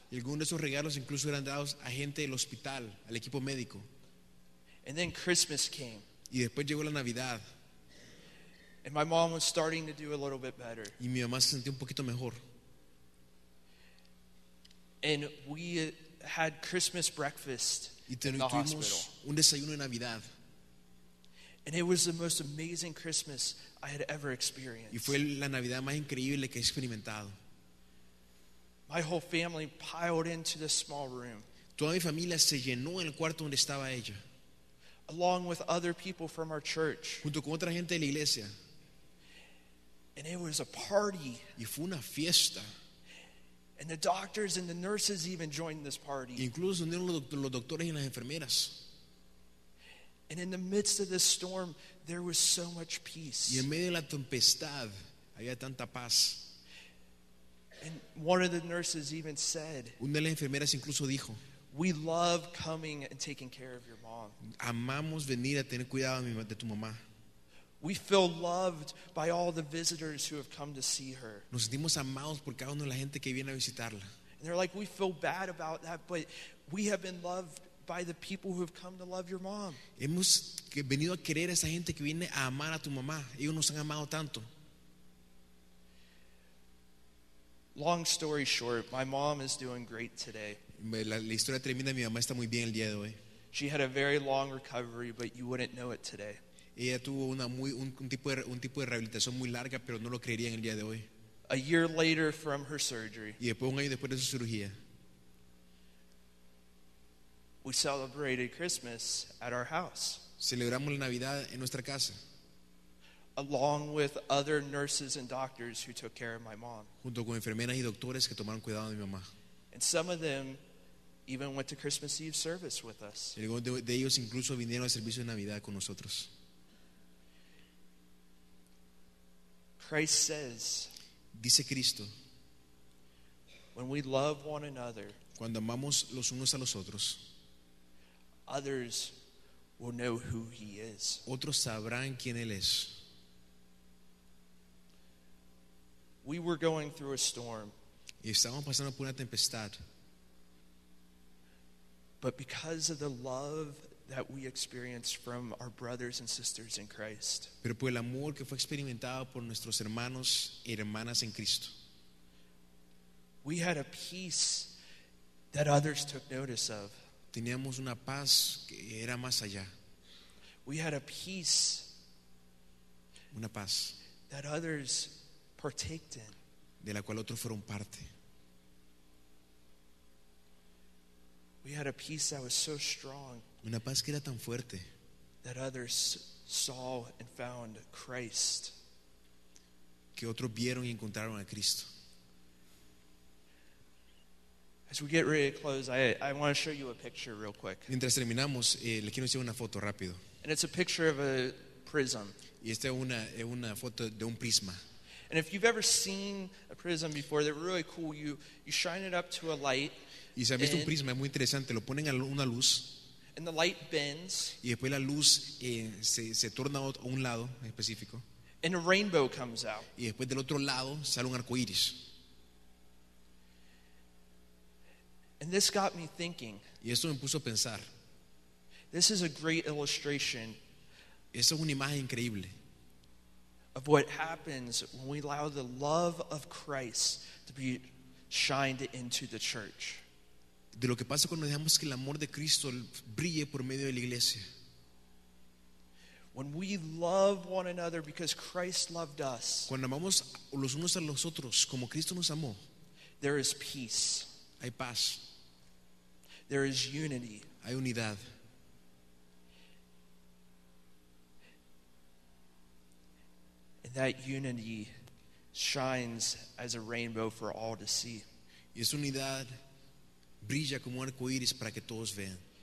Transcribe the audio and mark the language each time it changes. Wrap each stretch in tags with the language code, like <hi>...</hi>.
<es>Y algunos de esos regalos incluso eran dados a gente del hospital, al equipo médico.</es> <en>And then Christmas came.</en> <es>Y después llegó la Navidad.</es> <en>And my mom was starting to do a little bit better.</en> <es>Y mi mamá se sentía un poquito mejor.</es> <en>And we had Christmas breakfast</en> <es>y</es> <en>in the hospital.</en> <es>Un desayuno de Navidad.</es> <en>And it was the most amazing Christmas I had ever experienced.</en> <es>Y fue la Navidad más increíble que he experimentado.</es> <en>My whole family piled into this small room.</en> <es>Toda mi familia se llenó en el cuarto donde estaba ella.</es> <en>Along with other people from our church.</en> <es>Junto con otra gente de la iglesia.</es> <en>And it was a party.</en> <es>Y fue una fiesta.</es> <en>And the doctors and the nurses even joined this party.</en> <es>Incluso unieron los doctores y las enfermeras.</es> <en>And in the midst of this storm, there was so much peace.</en> <es>Y en medio de la tempestad, había tanta paz.</es> <en>And one of the nurses even said,</en> <es>una de las enfermeras incluso dijo,</es> <en>"We love coming and taking care of your mom."</en> <es>Amamos venir a tener cuidado de tu mamá.</es> <en>We feel loved by all the visitors who have come to see her.</en> <es>Nos sentimos amados por cada uno de la gente que viene a visitarla.</es> <en>And they're like, "We feel bad about that, but we have been loved by the people who have come to love your mom."</en> <es>Hemos venido a querer a esa gente que viene a amar a tu mamá. Ellos nos han amado tanto.</es> <en>Long story short, my mom is doing great today.</en> <es>La historia termina, mi mamá está muy bien el día de hoy.</es> <en>She had a very long recovery, but you wouldn't know it today.</en> <es>Ella tuvo un tipo de rehabilitación muy larga, pero no lo creerían el día de hoy.</es> <en>A year later from her surgery.</en> <es>Y después, un año después de su cirugía.</es> <en>We celebrated Christmas at our house.</en> <es>Celebramos la Navidad en nuestra casa.</es> <en>Along with other nurses and doctors who took care of my mom.</en> <es>Junto con enfermeras y doctores que tomaron cuidado de mi mamá.</es> <en>And some of them even went to Christmas Eve service with us.</en> <es>De ellos incluso vinieron al servicio de Navidad con nosotros.</es> <en>Christ says,</en> <es>dice Cristo,</es> <en>when we love one another,</en> <es>cuando amamos los unos a los otros,</es> <en>others will know who he is.</en> <es>Otros sabrán quién él es.</es> <en>We were going through a storm.</en> <es>Y estábamos pasando por una tempestad.</es> <en>But because of the love that we experienced from our brothers and sisters in Christ.</en> <es>Pero por el amor que fue experimentado por nuestros hermanos y hermanas en Cristo.</es> <en>We had a peace that others took notice of.</en> <es>Teníamos una paz que era más allá.</es> <en>We had a peace.</en> <es>Una paz.</es> <en>That others partaked in.</en> <es>De la cual otros fueron parte.</es> <en>We had a peace that was so strong.</en> <es>Una paz que era tan fuerte.</es> <en>That others saw and found Christ.</en> <es>Que otros vieron y encontraron a Cristo.</es> <en>As we get ready to close, I want to show you a picture real quick.</en> <es>Mientras terminamos, le quiero enseñar una foto rápido.</es> <en>And it's a picture of a prism.</en> <es>Y esta es una foto de un prisma.</es> <en>And if you've ever seen a prism before, they're really cool. You shine it up to a light.</en> <es>Y si han visto un prisma, es muy interesante. Lo ponen a una luz.</es> <en>And the light bends.</en> <es>Y después la luz se torna a un lado específico.</es> <en>And a rainbow comes out.</en> <es>Y después del otro lado sale un arco iris.</es> <en>And this got me thinking.</en> <es>Y esto me puso a pensar.</es> <en>This is a great illustration.</en> <es>Esa es una imagen increíble.</es> <en>Of what happens when we allow the love of Christ to be shined into the church.</en> <es>De lo que pasa cuando dejamos que el amor de Cristo brille por medio de la iglesia.</es> <en>When we love one another because Christ loved us.</en> <es>Cuando amamos los unos a los otros como Cristo nos amó.</es> <en>There is peace.</en> <es>Hay paz.</es> <en>There is unity.</en> <es>Hay unidad.</es> <en>And that unity shines as a rainbow for all to see.</en> <es>Y esa unidad brilla como un arco iris para que todos vean.</es>